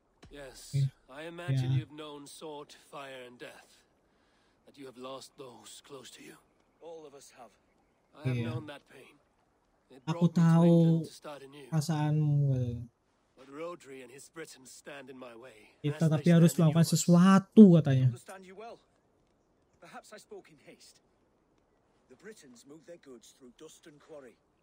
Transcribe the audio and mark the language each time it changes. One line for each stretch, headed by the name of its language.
English: Yes, ya. I imagine you've known sword, fire and death. That you have lost those close to you. All of us have. I have known that pain.
Indonesian: Aku tahu perasaanmu.
English: Rodri and his Britons stand in my way.
Indonesian: Kita tapi harus melakukan sesuatu katanya.
English: Perhaps I spoke in haste. The Britons move their goods through Dustan Quarry.